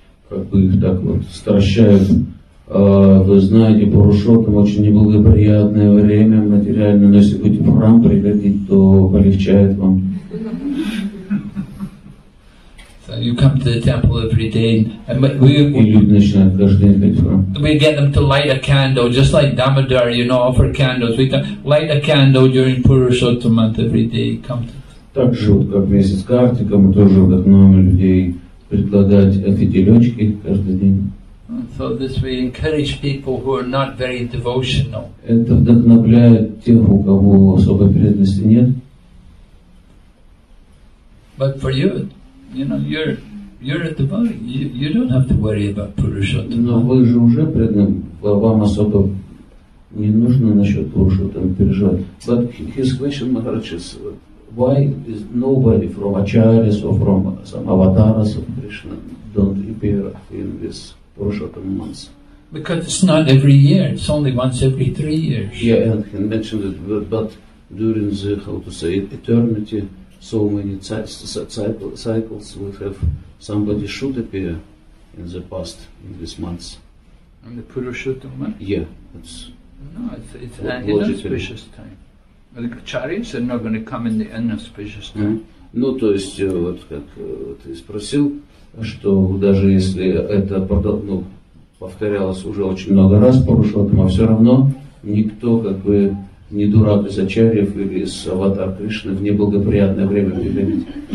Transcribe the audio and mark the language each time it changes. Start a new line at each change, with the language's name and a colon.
Russian: Как бы их так вот стращают. Вы знаете, Пурушоттама очень неблагоприятное время материально, но если будете в храм приходить, то полегчает вам.
English: So you come to the temple every day, and we get them to light a candle, just like Damodar, you know, offer candles. We light a candle during Пурушоттама month every day. Come to.
Russian: Так же, как месяц Картика, мы тоже вдохновим людей предлагать фитилечки каждый день.
English: So this we encourage people who are not very devotional.
Russian: Это вдохновляет тех, у кого особой преданности нет.
English: But for you, you know, you're at the bar. You don't have to worry about Пурушоттама.
Russian: Но вы же уже преданы. Вам особо не нужно насчет Пурушоттама переживать.
English: But his question, Maharaj, is why is nobody from Acharyas or from some avatars of Krishna don't appear in this Purushottam month? Because it's not every year, it's only once every 3 years. Yeah, and he mentioned it, but during the, how to say, eternity, so many cycles we have, somebody should appear in the past, in this month. In the Purushottam month? Yeah, that's... No, it's an inauspicious time. The Acharyas are not going to come in the inauspicious time. Mm-hmm.
Russian: Ну, то есть, вот как ты спросил, что даже если это продолжается, ну, повторялось уже очень много раз, Пурушоттама, все равно никто, как бы, не дурак из Ачарьев или из аватар Кришны в неблагоприятное время приходит.